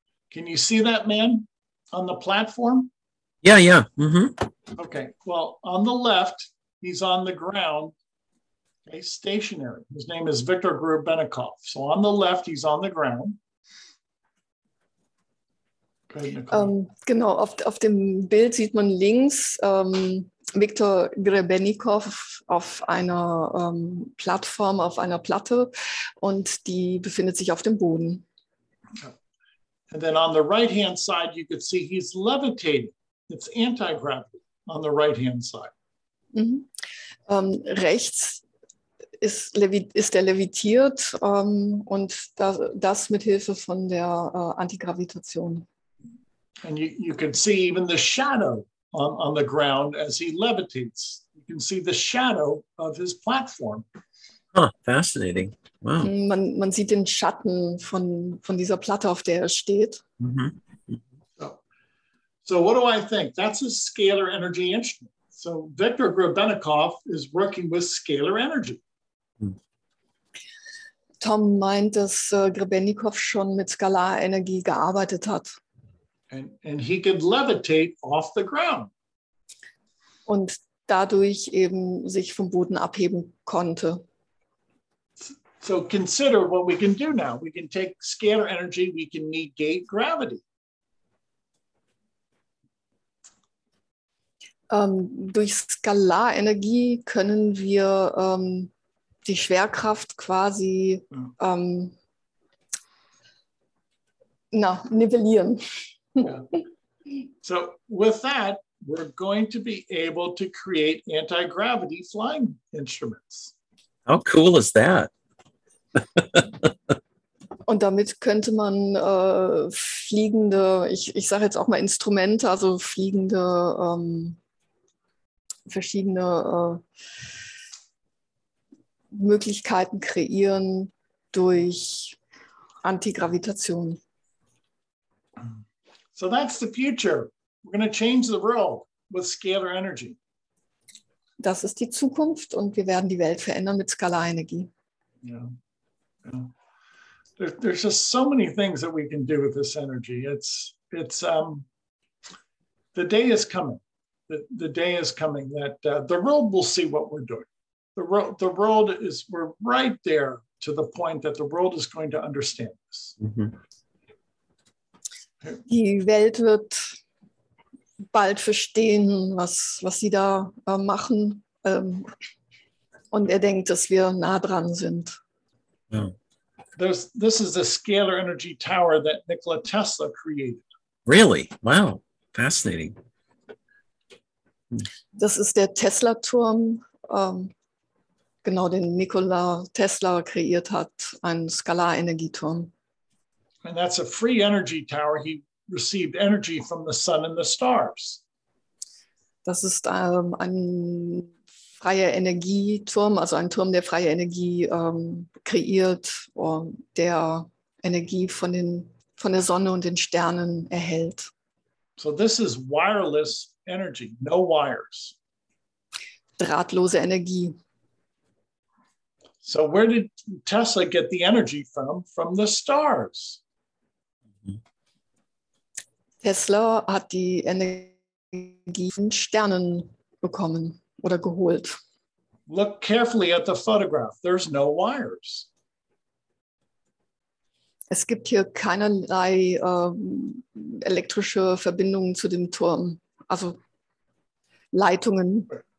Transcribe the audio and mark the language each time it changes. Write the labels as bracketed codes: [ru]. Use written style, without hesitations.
[en] Can you see that man on the platform? Yeah. Mm-hmm. Okay. Well, on the left, he's on the ground, okay, stationary. His name is Viktor Grubenikov. So on the left, he's on the ground. [de] Genau, auf dem Bild sieht man links Viktor Grubenikov auf einer Plattform, auf einer Platte, und die befindet sich auf dem Boden. [en] And then on the right-hand side, you could see he's levitating. It's anti-gravity on the right-hand side. Mm-hmm. [de] Rechts ist er levitiert und das mit Hilfe von der Antigravitation. [en] And you can see even the shadow on the ground as he levitates. You can see the shadow of his platform. Huh, fascinating. Wow. [de] Man sieht den Schatten von dieser Platte, auf der er steht. [en] Mm-hmm. So what do I think? That's a scalar energy instrument. So Viktor Grubenikov is working with scalar energy. [de] Tom meint, dass Grubenikov schon mit Skalarenergie gearbeitet hat. [en] And he could levitate off the ground. [de] Und dadurch eben sich vom Boden abheben konnte. [en] So consider what we can do now. We can take scalar energy, we can negate gravity. [de] Durch Skalarenergie können wir die Schwerkraft quasi nivellieren. [en] Yeah. So with that, we're going to be able to create anti-gravity flying instruments. How cool is that? [de] Und damit könnte man fliegende, ich sage jetzt auch mal Instrumente, also fliegende verschiedene Möglichkeiten kreieren durch Antigravitation. [en] So that's the future. We're going to change the world with scalar energy. [de] Das ist die Zukunft, und wir werden die Welt verändern mit Skalarenergie. [en] There's just so many things that we can do with this energy. It's the day is coming. The day is coming that the world will see what we're doing. The world is, we're right there to the point that the world is going to understand this. Mm-hmm. [de] Die Welt wird bald verstehen, was sie da machen. Und denkt, dass wir nah dran sind. [en] This is the scalar energy tower that Nikola Tesla created. Really? Wow. Fascinating. [de] Das ist der Tesla-Turm, den Nikola Tesla kreiert hat, ein Skalarenergieturm. [en] And that's a free energy tower. He received energy from the sun and the stars. [de] Das ist ein freier Energieturm, also ein Turm, der freie Energie kreiert, der Energie von der Sonne und den Sternen erhält. [en] So this is wireless energy, no wires. [de] Drahtlose Energie. [en] So where did Tesla get the energy from? From the stars. [de] Tesla hat die Energie von Sternen bekommen oder geholt. [en] Look carefully at the photograph. There's no wires. [de] Es gibt hier keinerlei elektrische Verbindungen zu dem Turm, also Leitungen.